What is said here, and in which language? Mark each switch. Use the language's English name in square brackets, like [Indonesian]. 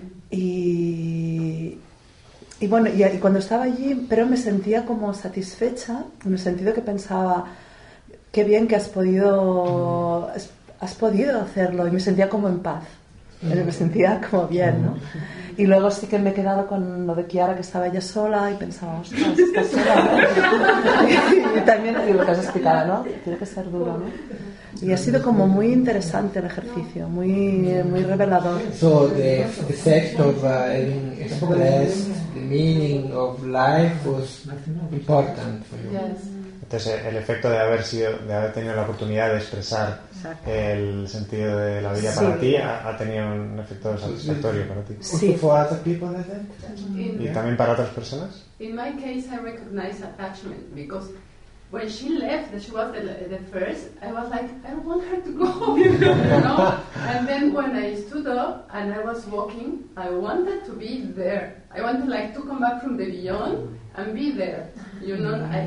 [Spanish] Y bueno, y cuando estaba allí, pero me sentía como satisfecha, en el sentido que pensaba, qué bien que has podido hacerlo, y me sentía como en paz, me sentía como bien, ¿no? Y luego sí que me he quedado con lo de Kiara, que estaba ella sola, y pensaba, ostras, estás sola, ¿no? Y también lo que has explicado, ¿no? Tiene que ser duro, ¿no? Y ha sido como muy interesante el ejercicio, muy, muy revelador. [English] So the fact of having expressed the meaning of life was important for you. Yes. [Spanish] Entonces el efecto de haber tenido la oportunidad de expresar el sentido de la vida para ti ha tenido un efecto satisfactorio para ti. [English] Sí. For other people, I think. [Spanish] Y también para otras personas. [English] In my case, I recognize attachment because when she left, she was the first, I was like, I don't want her to go, you know? And then when I stood up and I was walking, I wanted to be there. I wanted, like, to come back from the beyond and be there, you know?